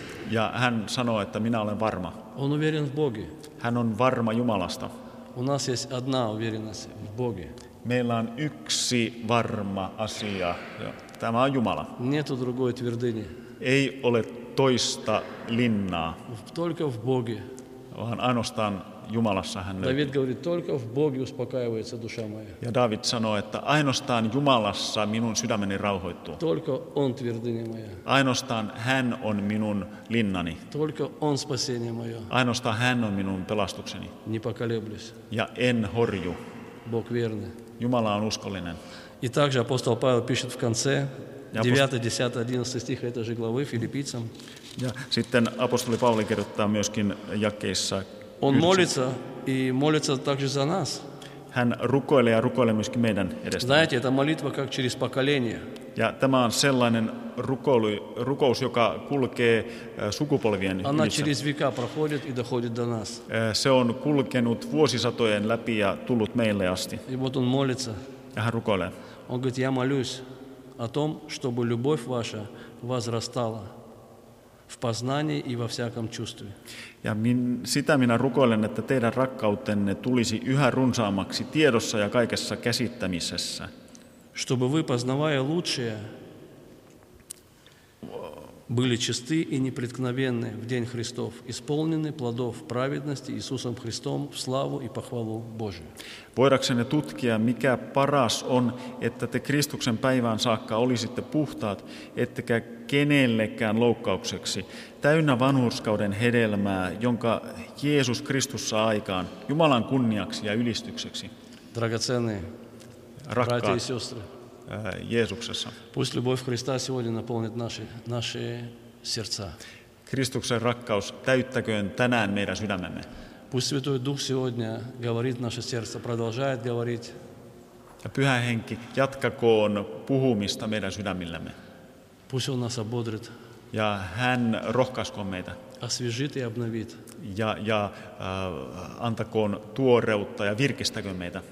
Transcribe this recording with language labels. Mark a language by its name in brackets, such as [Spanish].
[Finnish] Ja hän sanoo, että minä olen varma. [Russian] Он уверен в Боге. [Finnish] Hän on varma Jumalasta. [Russian] У нас есть одна уверенность в Боге. [Finnish] Meillä on yksi varma asia. Тämä on Jumala. [Russian] Нету другой твердыни. [Finnish] Ei ole toista linnaa. [Russian] Только в Боге. [Finnish] Vaan ainoastaan Jumalassa hän löytyy. [Russian] David говорит: только в Боге успокаивается душа моя. [Finnish] Ja David sanoo, että ainoastaan Jumalassa minun sydämeni rauhoittuu. [Russian] Только он твердыня моя. [Finnish] Ainoastaan hän on minun linnani. [Russian] Только он спасение мое. [Finnish] Ainoastaan hän on minun pelastukseni. [Russian] Не поколеблюсь. [Finnish] Ja en horju. [Russian] Бог верный. [Finnish] Jumala on uskollinen. [Russian] И также апостол Павел пишет в конце 9, 10, 11 стиха этой же главы Филиппийцам. [Finnish] Ja sitten apostoli Pauli kirjoittaa myöskin jakeissa. [Russian] Он молится и молится также за нас. [Finnish] Hän rukoilee ja rukoilee myöskin meidän edestä. [Russian] Знаете, это молитва как через поколение. [Finnish] Ja tämä on sellainen rukous, joka kulkee sukupolvien ylitse. [Russian] Она через века проходит и доходит до нас. [Finnish] Se on kulkenut vuosisatojen läpi ja tullut meille asti. [Russian] И вот он молится. [Finnish] Ja hän rukoilee. [Russian] Он говорит: я молюсь о том, чтобы любовь ваша возрастала в познании и во всяком чувстве. [Finnish] Ja sitä minä rukoilen, että teidän rakkautenne tulisi yhä runsaammaksi tiedossa ja kaikessa käsittämisessä. [Russian] Чтобы вы, познавая лучшее, были чисты и непреткновенны в день Христов, исполнены плодов праведности Иисусом Христом в славу и похвалу Божию. [Finnish] Voidaksenne tutkia, mikä paras on, että te Kristuksen päivään saakka olisitte puhtaat, ettekä kenellekään loukkaukseksi, täynnä vanhurskauden hedelmää, jonka Jeesus Kristus saa aikaan, Jumalan kunniaksi ja ylistykseksi. [Russian] Драгоценные, братья и сестры. [Finnish] Jeesuksessa. [Russian] Пусть любовь Христа сегодня наполнит наши сердца. [Finnish] Kristuksen rakkaus täyttäköön tänään meidän sydämemme. [Russian] Пусть Святой Дух сегодня говорит наше сердце, продолжает говорить. [Finnish] Ja Pyhä Henki, jatkakoon puhumista meidän sydämillemme. [Russian] Пусть Он нас ободрит. [Finnish] Ja Hän rohkaiskoon meitä. [Russian] Освежит и обновит. [Finnish] Ja antakoon tuoreutta ja virkistäköön meitä.